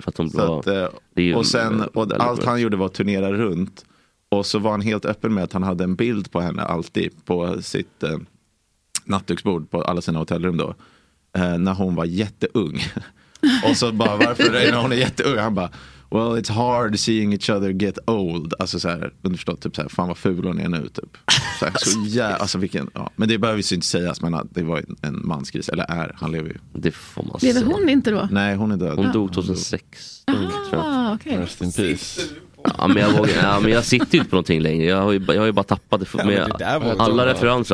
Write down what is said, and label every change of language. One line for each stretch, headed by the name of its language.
Swedish: För att allt han gjorde var att turnera runt. Och så var han helt öppen med att han hade en bild på henne alltid på sitt nattduksbord på alla sina hotellrum då. När hon var jätteung. Och så bara, varför är hon jätteung? Han bara,
English: well it's hard seeing each other get old.
Swedish: Alltså så här, underförstått, typ så här, fan vad ful hon är nu typ. Så här, så jävla, alltså vilken, ja. Men det behöver ju inte sägas, men det var en manskris, eller är, han lever ju. Det får man säga. Lever hon inte då? Nej, hon är död. Hon dog 2006. Okej.
English: Rest in peace.
Swedish: Ja, men jag sitter ju inte på någonting längre. Jag har ju bara tappat det, med alla referenser.